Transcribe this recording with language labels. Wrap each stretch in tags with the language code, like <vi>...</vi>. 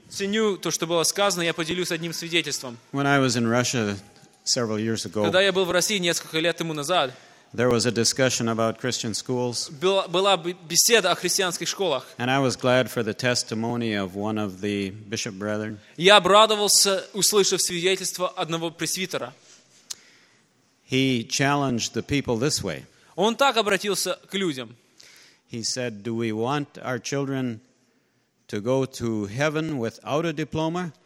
<ru>Ценю то, что было сказано, я поделюсь одним свидетельством.</ru> <en>When I was in Russia several years ago,</en> <ru>когда я был в России несколько лет тому назад,</ru> <en>there was a discussion about Christian schools.</en> <ru>Была беседа о христианских школах.</ru> <en>And I was glad for the testimony of one of the bishop brethren.</en> <ru>Я обрадовался, услышав свидетельство одного пресвитера.</ru> <en>He challenged the people this way.</en> <ru>Он так обратился к людям.</ru> <en>He said, "Do we want our children to go to heaven without a diploma?"</en>